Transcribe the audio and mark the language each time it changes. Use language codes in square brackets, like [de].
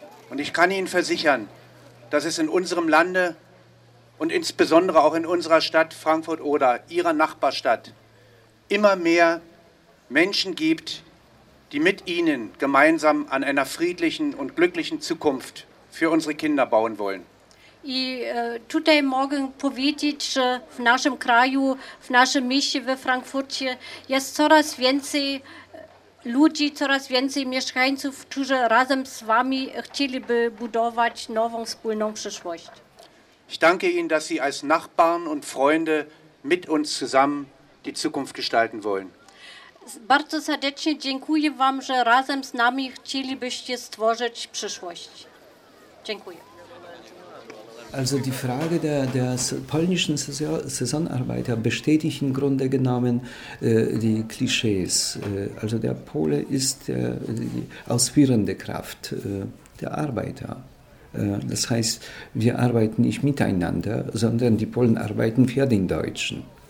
[de] Und ich kann Ihnen versichern, dass es in unserem Lande und insbesondere auch in unserer Stadt Frankfurt-Oder, Ihrer Nachbarstadt, immer mehr Menschen gibt, die mit Ihnen gemeinsam an einer friedlichen und glücklichen Zukunft für unsere Kinder bauen wollen. [pl] I tutaj mogę powiedzieć, że w naszym kraju, w naszym mieście, we Frankfurcie jest coraz więcej ludzi, coraz więcej mieszkańców, którzy razem z Wami chcieliby budować nową, wspólną przyszłość. [de] Ich danke Ihnen, dass Sie als Nachbarn und Freunde mit uns zusammen die Zukunft gestalten wollen. [pl] Bardzo serdecznie dziękuję Wam, że razem z nami chcielibyście stworzyć przyszłość. Dziękuję. [de] Also die Frage der polnischen Saisonarbeiter bestätigt im Grunde genommen die Klischees. Also der Pole ist die ausführende Kraft der Arbeiter. Das heißt, wir arbeiten nicht miteinander, sondern die Polen arbeiten für den Deutschen.